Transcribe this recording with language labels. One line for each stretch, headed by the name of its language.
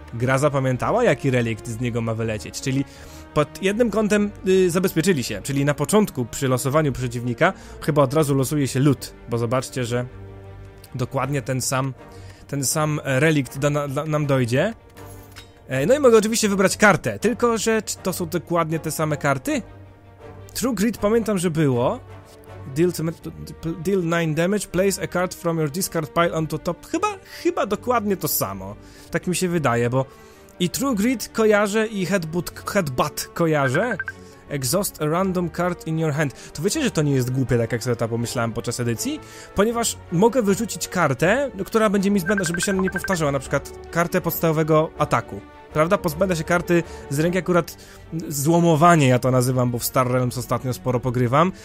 Polish: Gra zapamiętała, jaki relikt z niego ma wylecieć, czyli pod jednym kątem zabezpieczyli się, czyli na początku przy losowaniu przeciwnika chyba od razu losuje się loot, bo zobaczcie, że dokładnie ten sam relikt nam dojdzie. No i mogę oczywiście wybrać kartę, tylko że czy to są dokładnie te same karty? True Grit pamiętam, że było.
English: Deal 9 damage, place a card from your discard pile onto top.
Polish: Chyba dokładnie to samo. Tak mi się wydaje, bo i True Grit kojarzę i headbutt kojarzę.
English: Exhaust a random card in your hand.
Polish: To wiecie, że to nie jest głupie, tak jak sobie to pomyślałem podczas edycji? Ponieważ mogę wyrzucić kartę, która będzie mi zbędna, żeby się nie powtarzała, na przykład kartę podstawowego ataku. Prawda? Pozbędę się karty z ręki, akurat złomowanie ja to nazywam, bo w Star Realms ostatnio sporo pogrywam.